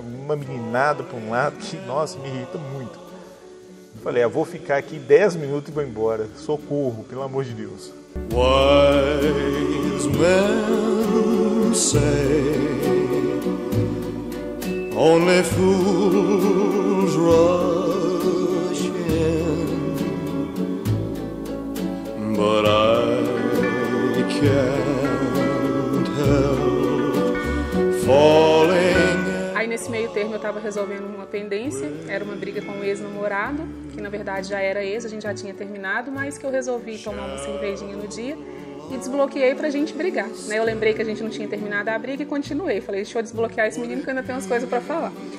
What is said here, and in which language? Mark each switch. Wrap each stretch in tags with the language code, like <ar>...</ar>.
<pt>Uma meninada pra um lado. Que, nossa, me irrita muito. Falei, eu vou ficar aqui 10 minutos e vou embora. Socorro, pelo amor de Deus.</pt> <en>Wise men say only fools rush in, but I can't help falling.</en> <pt>Aí nesse meio termo eu tava resolvendo uma pendência, era uma briga com um ex-namorado. Que na verdade já era ex, a gente já tinha terminado, mas que eu resolvi tomar uma cervejinha no dia e desbloqueei pra gente brigar. Eu lembrei que a gente não tinha terminado a briga e continuei. Falei, deixa eu desbloquear esse menino que ainda tem umas coisas pra falar.</pt>